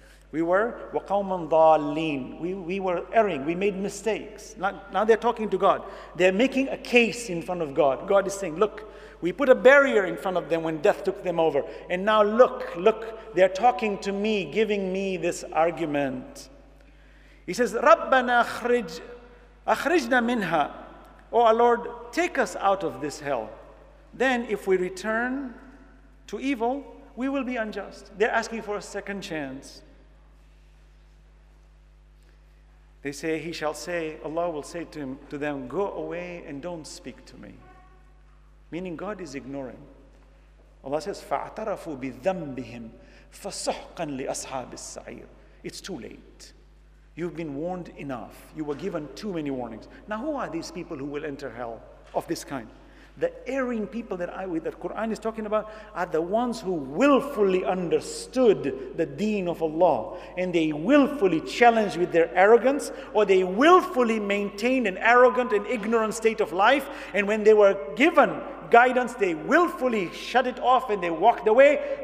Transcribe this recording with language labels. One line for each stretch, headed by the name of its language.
English: We were
Arabic: وَقَوْمًا ضَالِينَ.
English: We were erring, we made mistakes. Now they're talking to God. They're making a case in front of God. God is saying, look, we put a barrier in front of them when death took them over. And now look, they're talking to me, giving me this argument. He says,
Arabic: رَبَّنَا أَخْرِجْنَا مِنْهَا.
English: Oh, our Lord, take us out of this hell. Then if we return to evil, we will be unjust. They're asking for a second chance. They say, he shall say, Allah will say to them, go away and don't speak to me. Meaning God is ignoring. Allah says,
Arabic: فَاعْتَرَفُوا بِذَنْبِهِمْ فَصُحْقًا لِأَصْحَابِ السَّعِيرِ.
English: It's too late. You've been warned enough. You were given too many warnings. Now who are these people who will enter hell of this kind? The erring people that Quran is talking about are the ones who willfully understood the deen of Allah, and they willfully challenged with their arrogance, or they willfully maintained an arrogant and ignorant state of life, and when they were given guidance, they willfully shut it off and they walked away.